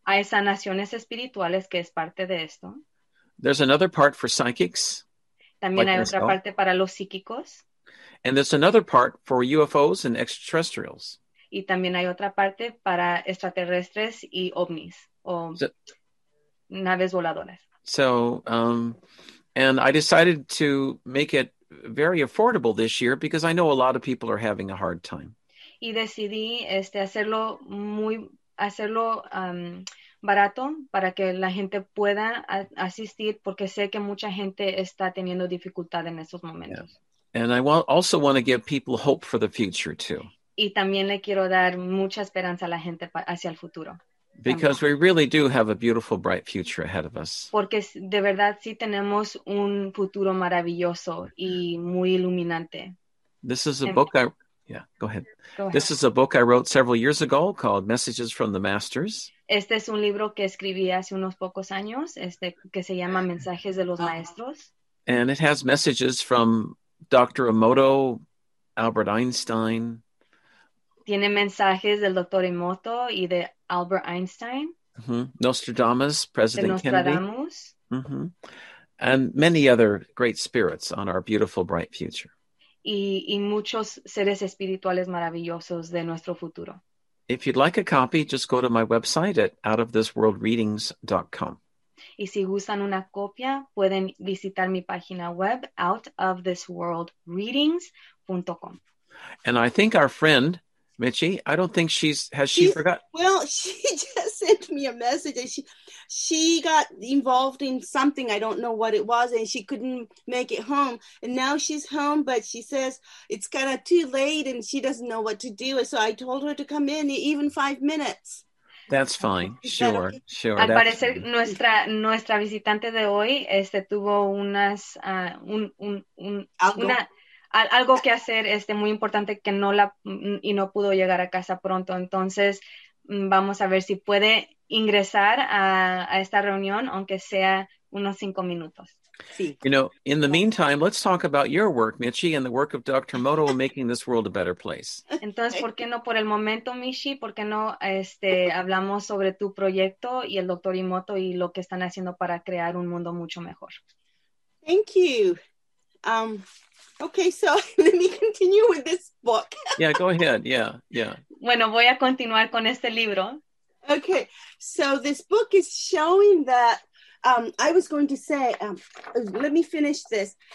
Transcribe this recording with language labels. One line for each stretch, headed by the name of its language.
Spanish: Hay sanaciones espirituales que es parte de esto.
English: There's another part for psychics.
Spanish: También like hay myself. Otra parte para los psíquicos.
English: And there's another part for UFOs and extraterrestrials.
Spanish: y también hay otra parte para extraterrestres y ovnis o naves voladoras.
English: So, and I decided to make it very affordable this year because I know a lot of people are having a hard time.
Spanish: Y decidí hacerlo barato para que la gente pueda asistir porque sé que mucha gente está teniendo dificultad en estos momentos.
English: Yeah. And I also want to give people hope for the future too.
Spanish: Y también le quiero dar mucha esperanza a la gente hacia el futuro.
English: Because we really do have a beautiful, bright future ahead of us.
Spanish: Porque de verdad sí tenemos un futuro maravilloso y muy iluminante.
English: This is a book go ahead. This is a book I wrote several years ago called Messages from the Masters.
Spanish: Este es un libro que escribí hace unos pocos años, que se llama Mensajes de los Maestros.
English: And it has messages from Dr. Emoto, Albert Einstein.
Spanish: Tiene mensajes del Dr. Emoto y de Albert Einstein.
English: Mm-hmm. Nostradamus, President
Spanish: de Nostradamus.
English: Kennedy. Mm-hmm. And many other great spirits on our beautiful, bright future.
Spanish: Y muchos seres espirituales maravillosos de nuestro futuro.
English: If you'd like a copy, just go to my website at outofthisworldreadings.com.
Spanish: Y si gustan una copia, pueden visitar mi página web, outofthisworldreadings.com.
English: And I think our friend, Mitchie, I don't think she forgot? Well, she just sent me a message and she got involved in something. I don't know what it was and she couldn't make it home. And now she's home, but she says it's kind of too late and she doesn't know what to do. So I told her to come in even 5 minutes. That's fine. Sure, sure.
Spanish: Al parecer, nuestra visitante de hoy tuvo unas algo que hacer muy importante que no la y no pudo llegar a casa pronto. Entonces vamos a ver si puede ingresar a esta reunión aunque sea unos 5 minutos. Sí.
English: You know, in the meantime, let's talk about your work, Mitchie, and the work of Dr. Moto in making this world a better place.
Spanish: Entonces, ¿por qué no por el momento, Mitchie? ¿Por qué no hablamos sobre tu proyecto y el Dr. Emoto y lo que están haciendo para crear un mundo mucho mejor?
English: Thank you. Okay, so let me continue with this book. Yeah, go ahead. Yeah.
Spanish: Bueno, voy a continuar con este libro.
English: Okay, so this book is showing that I was going to say, let me finish this.